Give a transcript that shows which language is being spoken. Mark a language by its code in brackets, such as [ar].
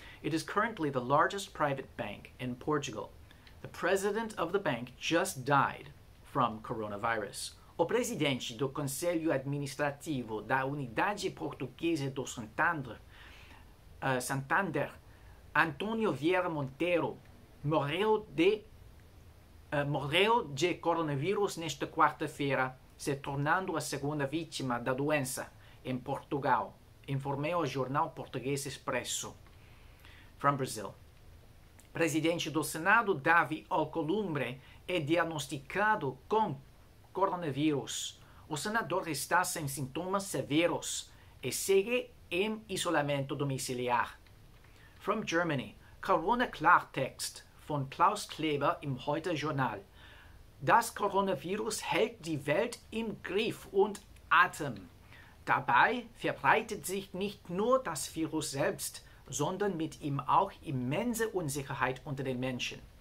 [en] It is currently the largest private bank in Portugal. The president of the bank just died from coronavirus. [pt] O presidente do Conselho Administrativo da Unidade Portuguesa do Santander, Antonio Vieira Monteiro, morreu de coronavírus nesta quarta-feira, se tornando a segunda vítima da doença em Portugal, informou o jornal português Expresso. [en] From Brazil. [pt] Presidente do Senado, Davi Alcolumbre, é diagnosticado com coronavírus. O senador está sem sintomas severos e segue em isolamento domiciliar. [en] From Germany. [de] Corona Klartext von Klaus Kleber im Heute Journal. Das Coronavirus hält die Welt im Griff und Atem. Dabei verbreitet sich nicht nur das Virus selbst, sondern mit ihm auch immense Unsicherheit unter den Menschen.